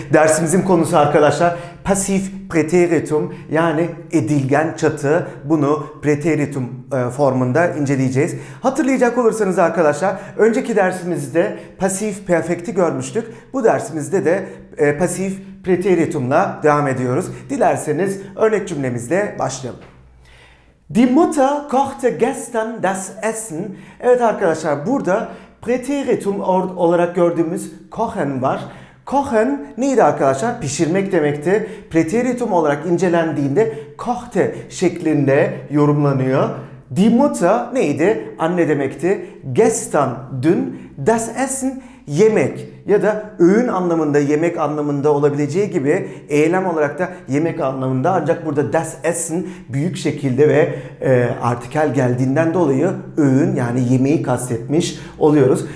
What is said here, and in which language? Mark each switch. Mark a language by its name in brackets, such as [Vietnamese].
[Turkish] Dersimizin konusu arkadaşlar pasif preteritum, yani edilgen çatı. Bunu preteritum formunda inceleyeceğiz. Hatırlayacak olursanız arkadaşlar, önceki dersimizde pasif perfekti görmüştük. Bu dersimizde de pasif preteritumla devam ediyoruz. Dilerseniz örnek cümlemizle başlayalım. [German] Die Mutter kochte gestern das Essen. [Turkish] Evet arkadaşlar, burada Präteritum olarak gördüğümüz kochen var. Kochen neydi arkadaşlar? Pişirmek demekti. Präteritum olarak incelendiğinde kochte şeklinde yorumlanıyor. [German] Die Mutter [Turkish] neydi? Anne demekti. Gestern dün, [German] das Essen [Turkish] yemek ya da öğün anlamında, yemek anlamında olabileceği gibi eylem olarak da yemek anlamında, ancak burada das Essen büyük şekilde ve artikel geldiğinden dolayı öğün, yani yemeği kastetmiş oluyoruz.